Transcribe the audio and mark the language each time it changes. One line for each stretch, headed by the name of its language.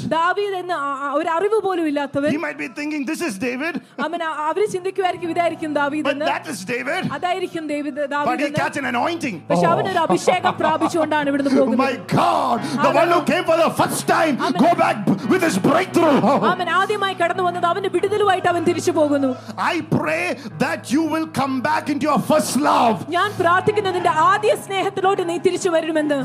Malayalam: ദാവീദ് എന്ന ഒരു അറിവ് പോലും ഇല്ലാത്തവൻ.
English: He might be thinking this is David.
Malayalam: അമ്മ അവർ ചിന്തിക്കുവായിരിക്കും ഇതായിരിക്കും ദാവീദ് എന്ന്.
English: But that is David.
Malayalam: അതായിരിക്കും ദാവീദ് ദാവീദ്.
English: But he catch an anointing.
Malayalam: പക്ഷേ അവൻ ഒരു അഭിഷേകം പ്രാപിച്ചുകൊണ്ടാണ് ഇവിടെ നിന്ന് പോകുന്നത്.
English: My God, the one who came for the first time go back with his breakthrough.
Malayalam: അമ്മ ആദ്യമായി കടന്നു വന്നത് അവന്റെ വിടുതലുമായിട്ട് അവൻ തിരിച്ചു പോകുന്നു.
English: I pray that you will come back into your first love.
Malayalam: ഞാൻ പ്രാർത്ഥിക്കുന്നു നിന്റെ ആദ്യ സ്നേഹത്തിലോട്ട് നീ തിരിച്ചു വരുമെന്ന്.